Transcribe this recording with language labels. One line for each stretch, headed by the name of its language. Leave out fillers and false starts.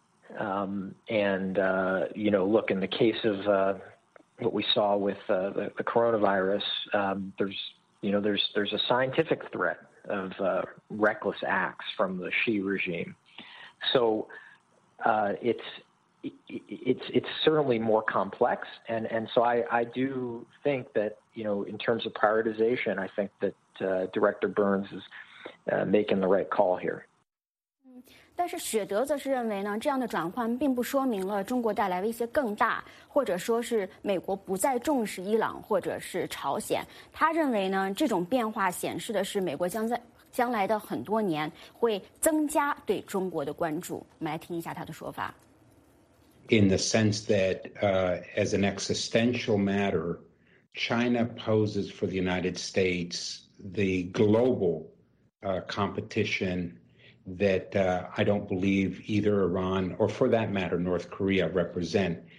English: Look, in the case of what we saw with the coronavirus, there's a scientific threat of reckless acts from the Xi regime. So it's certainly more complex, and so I do think that, in terms of prioritization, I think that Director Burns is making the right call here.
Chinese: 但是雪德则是认为呢，这样的转换并不说明了中国带来威胁更大，或者说是美国不再重视伊朗或者是朝鲜。他认为呢，这种变化显示的是美国将来的很多年会增加对中国的关注。我们来听一下他的说法。
English: In the sense that, as an existential matter, China poses for the United States the global competition that I don't believe either Iran or, for that matter, North Korea represent.